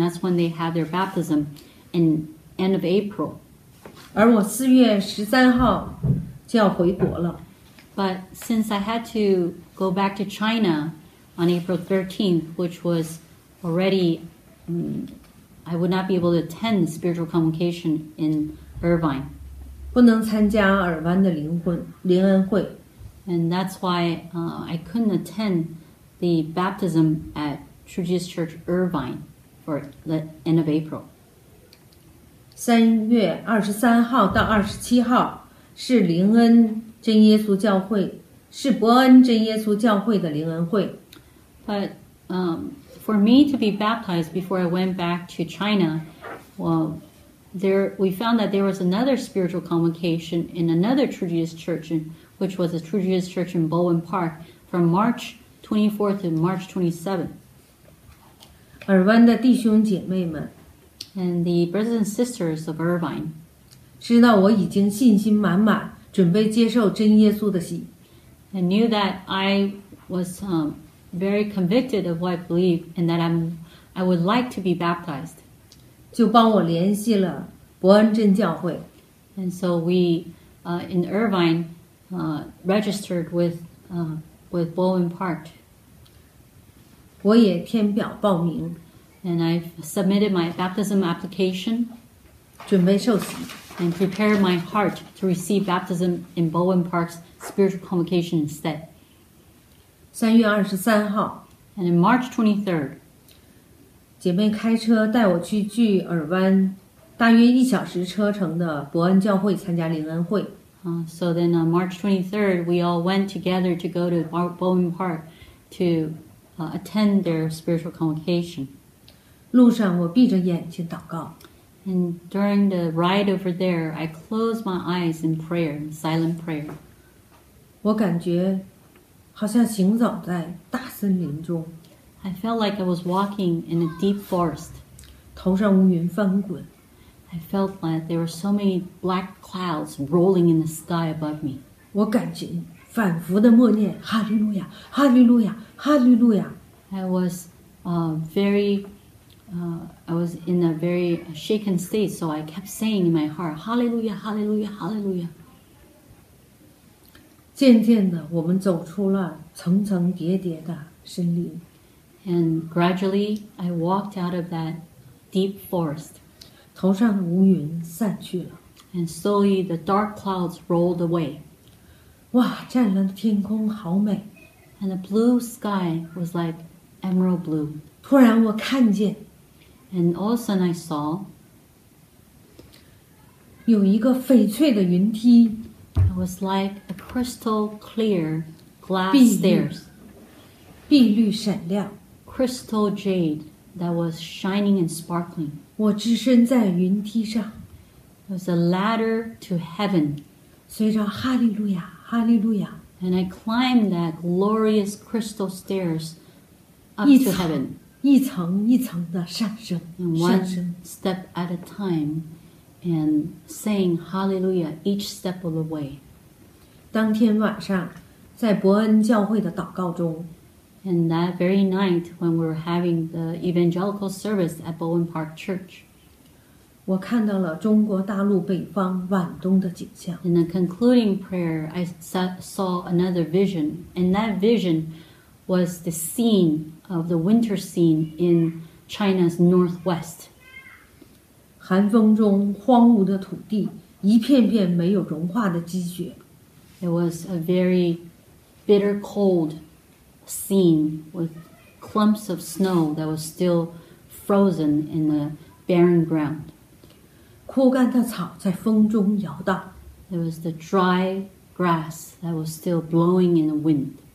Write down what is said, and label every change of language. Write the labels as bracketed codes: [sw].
[en] That's when they had their baptism in end of April. [zh] 而我四月十三号就要回国了。 [en] But since I had to go back to China on April 13th, which was already, I would not be able to attend the spiritual convocation in Irvine. [zh] 不能参加尔湾的灵恩会 [en] And that's why I couldn't attend the baptism at True Jesus Church Irvine for the end of April. [zh] 三月二十三号到二十七号是灵恩真耶稣教会，是伯恩真耶稣教会的灵恩会。 [en] But for me to be baptized before I went back to China, well, There, we found that there was another spiritual convocation in another True Jesus Church, which was a True Jesus Church in Bowen Park, from March 24th to March 27th. [zh] 尔湾的弟兄姐妹们 [en] And the brothers and sisters of Irvine. [zh] 知道我已经信心满满，准备接受真耶稣的洗。 [en] And knew that I was very convicted of what I believe, and that I would like to be baptized. [zh] 就帮我联系了伯恩真教会 [en] and so we in Irvine registered with Bowen Park [zh] 我也填表报名 [en] and I've submitted my baptism application [zh] 准备受洗 [en] and prepared my heart to receive baptism in Bowen Park's spiritual convocation instead [zh] 3月23号 [en] and in March 23rd [zh] 姐妹开车带我去距尔湾大约一小时车程的伯恩教会参加灵恩会。 [en] So then on March 23rd, we all went together to go to Bowen Park to attend their spiritual convocation. [zh] 路上我闭着眼睛祷告。 [en] And during the ride over there, I closed my eyes in prayer, in silent prayer. [zh] 我感觉好像行走在大森林中。 [en] I felt like I was walking in a deep forest. [zh] 头上乌云翻滚。 [en] I felt like there were so many black clouds rolling in the sky above me. [zh] 我感觉反复的默念哈利路亚，哈利路亚，哈利路亚。 [en] I was I was in a very shaken state, so I kept saying in my heart, Hallelujah, Hallelujah, Hallelujah. [zh] 渐渐的我们走出了层层叠叠的森林。 [en] And gradually, I walked out of that deep forest. [zh] 头上的乌云散去了。 [en] And slowly, the dark clouds rolled away. [zh] 哇，湛蓝的天空好美。 [en] And the blue sky was like emerald blue. [zh] 突然我看见。 [en] And all of a sudden, I saw. [zh] 有一个翡翠的云梯。 [en] It was like a crystal clear glass stairs. [zh] 碧绿闪亮。 [en] Crystal jade that was shining and sparkling. [zh] 我置身在云梯上。 [en] It was a ladder to heaven. [zh] 随着哈利路亚，哈利路亚。 [en] And I climbed that glorious crystal stairs up to heaven. [zh] 一层一层的上升。 [en] And one step at a time and saying hallelujah each step of the way. [zh] 当天晚上，在伯恩教会的祷告中， [en] And that very night when we were having the evangelical service at Bowen Park Church, [zh] 我看到了中国大陆北方晚冬的景象。 [en] In the concluding prayer, I saw another vision, and that vision was the scene of the winter scene in China's northwest. [zh] 寒风中荒芜的土地，一片片没有融化的积雪。 [en] It was a very bitter cold. Scene with clumps of snow that was still frozen in the barren ground. [zh] 枯干的草在风中摇荡。 [en] There was the dry grass that was still blowing in the wind.